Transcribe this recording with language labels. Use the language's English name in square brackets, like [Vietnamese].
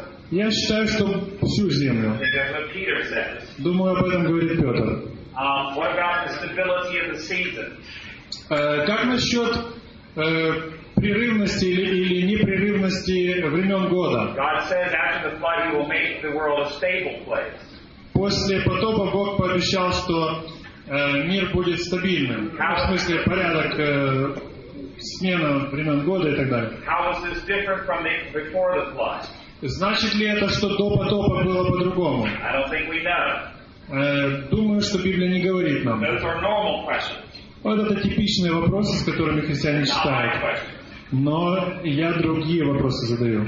[Russian] Я считаю, что всю землю. Думаю, об этом говорит Петр. [English] What about the stability of the season? [Russian] Как насчет прерывности или непрерывности времен года? [English] God says after the flood he will make the world a stable place. [Russian] После потопа Бог пообещал, что мир будет стабильным. [English] How, [Russian] в смысле, порядок, смена времен года и так далее. [English] How is this different from the, before the flood? [Russian] Значит ли это, что до потопа было по-другому? [English] I don't think we know. [Russian] Думаю, что Библия не говорит нам. Вот это типичные вопросы, с которыми христиане считают. Но я другие вопросы задаю.